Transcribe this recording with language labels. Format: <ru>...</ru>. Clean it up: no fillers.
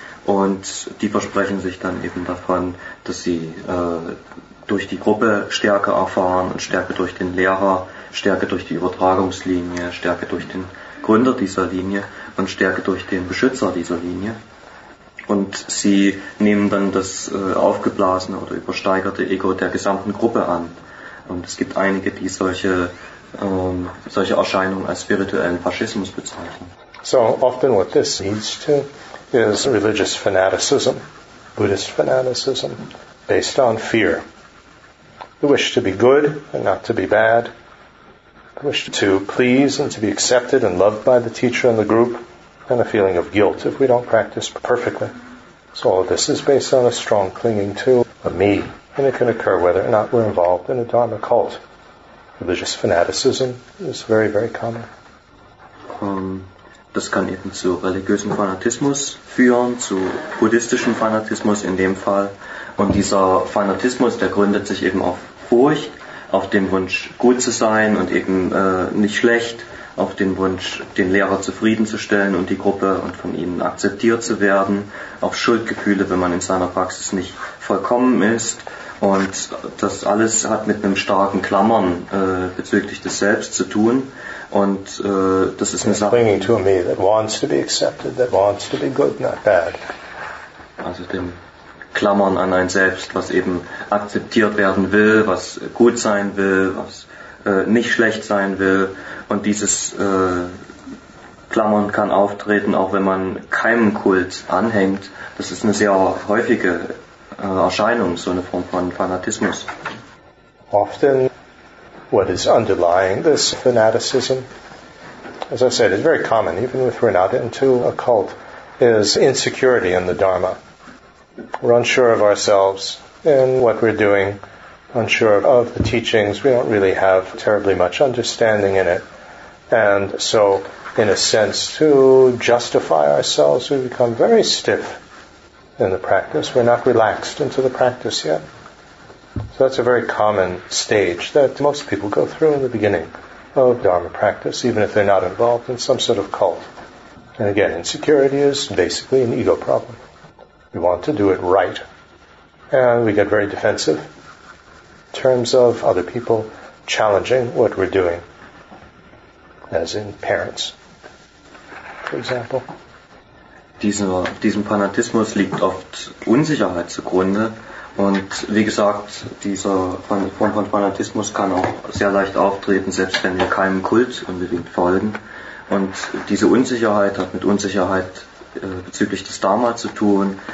<de>Und die versprechen sich dann eben davon, dass sie durch die Gruppe Stärke erfahren und Stärke durch den Lehrer, Stärke durch die Übertragungslinie, Stärke durch den Gründer dieser Linie und Stärke durch den Beschützer dieser Linie. Und sie nehmen dann das aufgeblasene oder übersteigerte Ego der gesamten Gruppe an. Und es gibt einige, die solche Erscheinungen als spirituellen Faschismus bezeichnen.</de> <en>So often what this leads to is religious fanaticism, Buddhist fanaticism, based on fear. The wish to be good and not to be bad. The wish to please and to be accepted and loved by the teacher and the group. And a feeling of guilt if we don't practice perfectly. So all of this is based on a strong clinging to a me. And it can occur whether or not we're involved in a Dharma cult. Religious fanaticism is very, very common.</en> <de>Das kann eben zu religiösen Fanatismus führen, zu buddhistischen Fanatismus in dem Fall. Und dieser Fanatismus, der gründet sich eben auf Furcht, auf dem Wunsch, gut zu sein und eben nicht schlecht, auf dem Wunsch, den Lehrer zufriedenzustellen und die Gruppe und von ihnen akzeptiert zu werden, auf Schuldgefühle, wenn man in seiner Praxis nicht vollkommen ist. Und das alles hat mit einem starken Klammern bezüglich des Selbst zu tun. Und das ist eine Sache.</de> <en>Clinging to a me that wants to be accepted, that wants to be good, not bad.</en> <de>Also dem Klammern an ein Selbst, was eben akzeptiert werden will, was gut sein will, was nicht schlecht sein will. Und dieses Klammern kann auftreten, auch wenn man keinem Kult anhängt. Das ist eine sehr häufige Erscheinung, so eine Form von Fanatismus.</de> <en>Often what is underlying this fanaticism, as I said, is very common, even if we're not into a cult, is insecurity in the Dharma. We're unsure of ourselves and what we're doing, unsure of the teachings. We don't really have terribly much understanding in it. And so, in a sense, to justify ourselves, we become very stiff in the practice. We're not relaxed into the practice yet. So that's a very common stage that most people go through in the beginning of Dharma practice, even if they're not involved in some sort of cult. And again, insecurity is basically an ego problem. We want to do it right. And we get very defensive in terms of other people challenging what we're doing, as in parents, for example.</en> <de>Diesem Fanatismus liegt oft Unsicherheit zugrunde. Und wie gesagt, dieser Form von Fanatismus kann auch sehr leicht auftreten, selbst wenn wir keinem Kult unbedingt folgen. Und diese Unsicherheit hat mit Unsicherheit bezüglich des Dharma zu tun.</de>